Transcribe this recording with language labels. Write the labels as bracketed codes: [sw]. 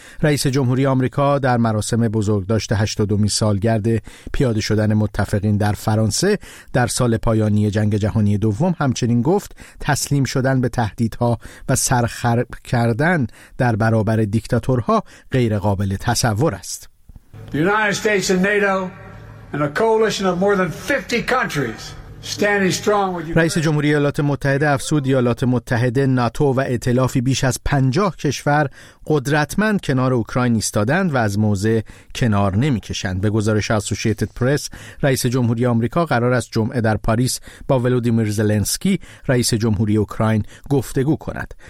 [fa] رئیس جمهوری آمریکا در مراسم بزرگداشت 82 سالگرد پیاده شدن متفقین در فرانسه در سال پایانی جنگ جهانی دوم همچنین گفت تسلیم شدن به تهدیدها و سرخرب کردن در برابر دیکتاتورها غیر قابل تصور است. [en] The United States and NATO and a coalition of more than 50 countries standing strong with you. [fa] رئیس جمهوری ایالات متحده افسود ایالات متحده، ناتو و ائتلافی بیش از 50 کشور قدرتمند کنار اوکراین ایستادند و از موضع کنار نمی‌کشند. به گزارش اسوسییتد پرس، رئیس جمهوری آمریکا قرار است جمعه در پاریس با ولودیمیر زلنسکی، رئیس جمهوری اوکراین، گفتگو کند.